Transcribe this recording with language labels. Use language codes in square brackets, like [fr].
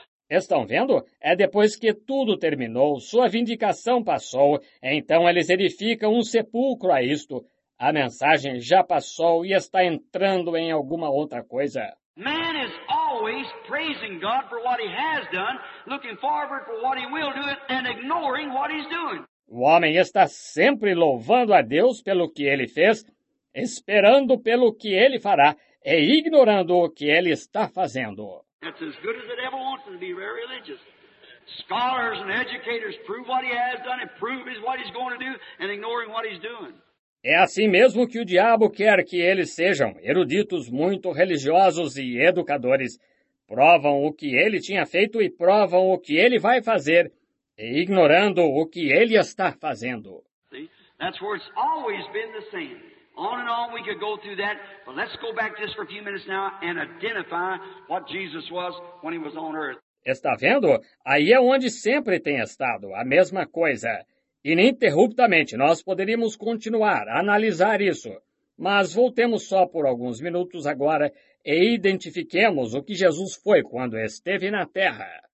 [pt] Estão vendo? É depois que tudo terminou, sua vindicação passou, então eles edificam um sepulcro a isto. A mensagem já passou e está entrando em alguma outra coisa. [en] Man is always praising God for what he has done, looking forward for what he will do and ignoring what he's doing. [pt] O homem está sempre louvando a Deus pelo que ele fez, esperando pelo que ele fará e ignorando o que ele está fazendo. [en] That's as good as the devil wants him to be, very religious. Scholars and educators prove what he has done and prove is what he's going to do and ignoring what he's doing. [pt] É assim mesmo que o diabo quer que eles sejam, eruditos muito religiosos e educadores. Provam o que ele tinha feito e provam o que ele vai fazer, e ignorando o que ele está fazendo. [en] That's where it's always been the same. On and on we could go through that, but let's go back just for a few minutes now and identify what Jesus was when he was on earth. [pt] Está vendo? Aí é onde sempre tem estado, a mesma coisa. Ininterruptamente, nós poderíamos continuar a analisar isso, mas voltemos só por alguns minutos agora e identifiquemos o que Jesus foi quando esteve na Terra.